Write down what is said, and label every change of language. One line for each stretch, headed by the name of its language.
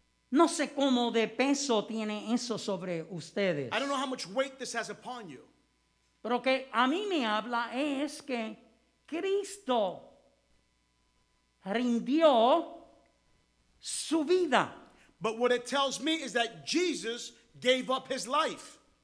Spanish: No sé cómo de peso tiene eso sobre ustedes.
English: I don't know how much weight this has upon you.
Spanish: Pero que a mí me habla es que Cristo rindió su vida.
English: But what it tells me is that Jesus gave up his life.